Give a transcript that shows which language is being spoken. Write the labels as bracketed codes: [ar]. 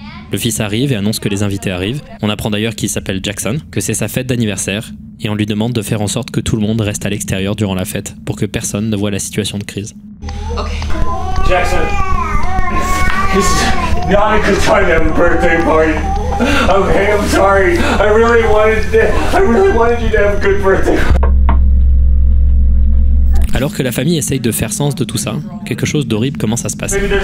[fr] Le fils arrive et annonce que les invités arrivent. On apprend d'ailleurs qu'il s'appelle Jackson, que c'est sa fête d'anniversaire, et on lui demande de faire en sorte que tout le monde reste à l'extérieur durant la fête, pour que personne ne voit la situation de crise. [en] Okay. Jackson, this is not a good time to have a birthday party. Okay, I'm sorry. I really wanted you to have a good birthday. [fr] Alors que la famille essaye de faire sens de tout ça, quelque chose d'horrible commence à se passer.